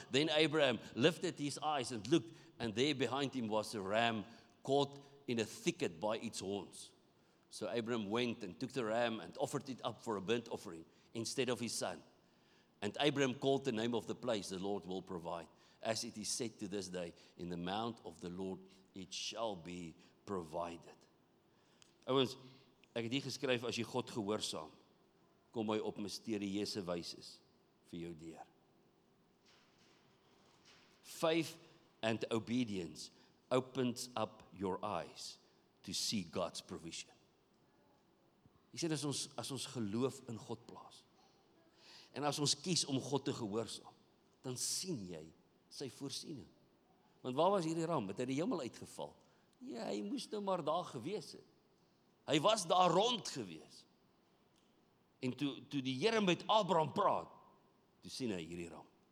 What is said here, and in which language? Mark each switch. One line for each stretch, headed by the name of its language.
English: Then Abraham lifted his eyes and looked, and there behind him was a ram caught in a thicket by its horns. So Abraham went and took the ram and offered it up for a burnt offering instead of his son. And Abraham called the name of the place, the Lord will provide. As it is said to this day, in the mount of the Lord, it shall be provided.
Afrikaans: Ouens, ek het hier geskryf, as jy God gehoorsaam, kom hy op mysterieuse wyses vir jou deur.
English: Faith and obedience opens up your eyes to see God's provision.
Afrikaans: Jy sê, as ons geloof in God plaas, en as ons kies om God te gehoorsaam, dan sien jy sy voorsiening. Want waar was hierdie ram? Het hy die hemel uitgeval? Ja, hy moes nou maar daar gewees het. Hy was daar rond gewees. En toe die Here met Abraham praat, toe sien hy hierdie ram.